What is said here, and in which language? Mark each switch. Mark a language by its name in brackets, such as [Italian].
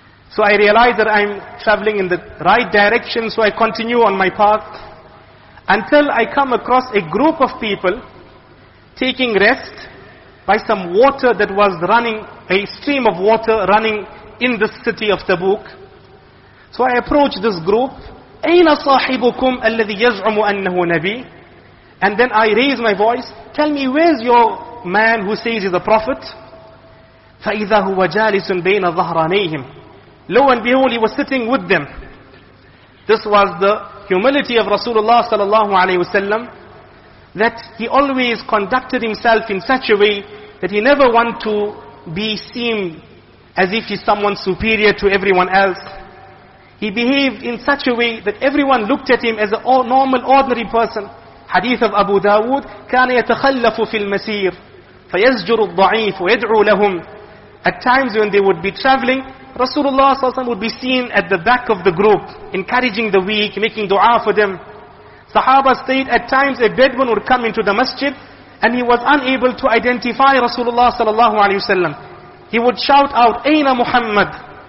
[English] So I realize that I'm traveling in the right direction, so I continue on my path, until I come across a group of people taking rest by some water that was running, a stream of water running in the city of Tabuk. So I approach this group, [Arabic] أَيْنَ صَاحِبُكُمْ الَّذِي يَزْعُمُ أَنَّهُ نَبِيٍ. [English] And then I raise my voice, tell me, where's your man who says he's a prophet? [Arabic] فَإِذَا هُوَ جَالِسٌ بَيْنَ ظَهْرَانَيْهِمْ. [English] Lo and behold, he was sitting with them. This was the humility of Rasulullah sallallahu alaihi wasallam, that he always conducted himself in such a way that he never wanted to be seen as if he's someone superior to everyone else. He behaved in such a way that everyone looked at him as a normal, ordinary person. [Arabic] Hadith of Abu Dawood, كَانَ يَتَخَلَّفُ فِي الْمَسِيرِ فَيَزْجُرُ الضَّعِيفُ وَيَدْعُوا لَهُمْ. [English] At times when they would be traveling, Rasulullah ﷺ would be seen at the back of the group, encouraging the weak, making dua for them. Sahaba said, at times a Bedouin would come into the masjid, and he was unable to identify Rasulullah ﷺ. He would shout out, [Arabic] أَيْنَ مُحَمَّدُ.